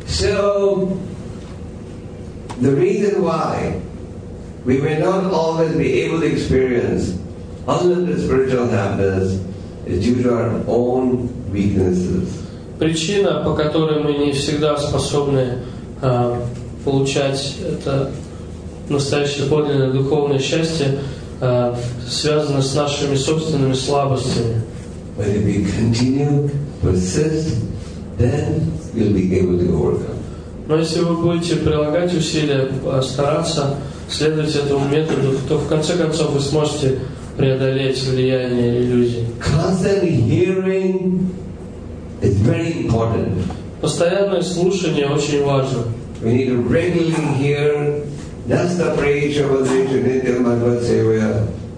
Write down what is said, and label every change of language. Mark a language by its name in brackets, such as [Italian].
[English] So, the reason why we may not always be able to experience unlimited spiritual happiness is due to our own weaknesses. [Russian] Причина, по которой мы не всегда способны получать это настоящее подлинное духовное счастье, связано с нашими собственными слабостями. [English] But if you continue, persist, then you'll be able to overcome. [Russian] Но если вы будете прилагать усилия, стараться следовать этому методу, то в конце концов вы сможете преодолеть влияние иллюзий. [English] Constant hearing is very important. [Russian] Постоянное слушание очень важно. [English] We need to regularly hear. That's the praise of the Trinity of Bhagavad Seva.